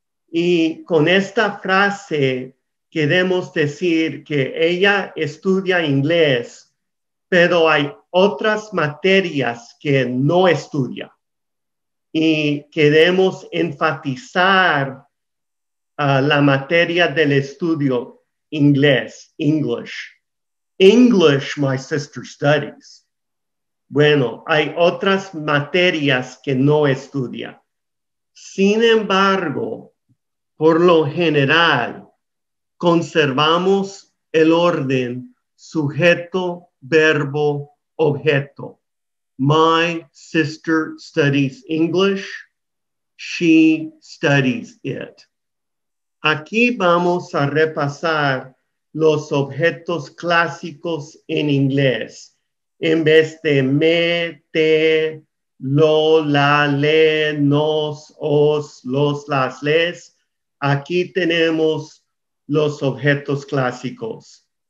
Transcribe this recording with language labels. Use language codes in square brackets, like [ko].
[es] Y con esta frase queremos decir que ella estudia inglés, pero hay otras materias que no estudia. Y queremos enfatizar la materia del estudio inglés, English. [en] English, my sister studies. [es] Bueno, hay otras materias que no estudia. Sin embargo, por lo general, conservamos el orden sujeto, verbo, objeto. [en] My sister studies English. She studies it. [es] Aquí vamos a repasar los objetos clásicos en inglés. En vez de me, te, lo, la, le, nos, os, los, las, les, aquí tenemos los objetos clásicos.